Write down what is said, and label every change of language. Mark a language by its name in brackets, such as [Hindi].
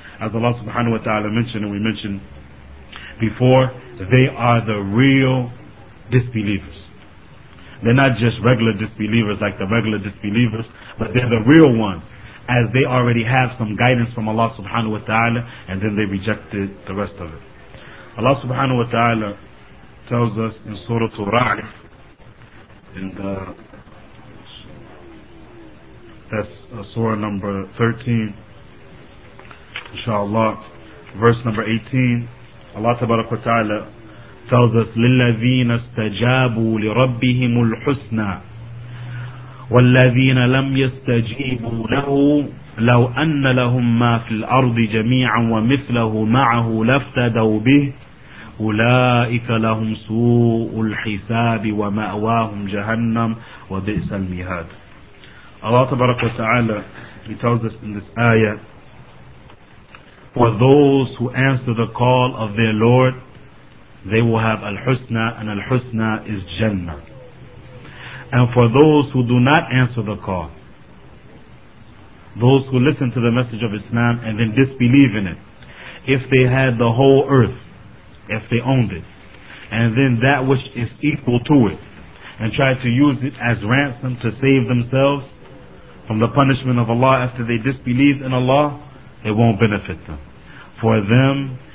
[English] As Allah subhanahu wa ta'ala mentioned, and we mentioned before, they are the real disbelievers. They're not just regular disbelievers like the regular disbelievers, but they're the real ones, as they already have some guidance from Allah subhanahu wa ta'ala, and then they rejected the rest of it. Allah subhanahu wa ta'ala tells us in Surah Al-Ra'd, that's Surah number 13, inshallah, verse number 18, Allah tabaraka wa ta'ala tells us, [Arabic] لِلَّذِينَ اسْتَجَابُوا لِرَبِّهِمُ الْحُسْنَى وَالَّذِينَ لَمْ يَسْتَجِيبُوا لَهُ لَوْ أَنَّ لَهُمْ مَا فِي الْأَرْضِ جَمِيعًا وَمِثْلَهُ مَعَهُ لَفْتَدَوْا بِهِ أولئك لهم سوء الحساب ومأواهم جهنم وبئس المهاد. [English] Allah tabaraka wa ta'ala, He tells us in this ayah, for those who answer the call of their Lord, they will have al-husna, and al-husna is Jannah. And for those who do not answer the call, those who listen to the message of Islam and then disbelieve in it, if they had the whole earth, if they owned it, and then that which is equal to it, and tried to use it as ransom to save themselves from the punishment of Allah after they disbelieved in Allah, it won't benefit them. For them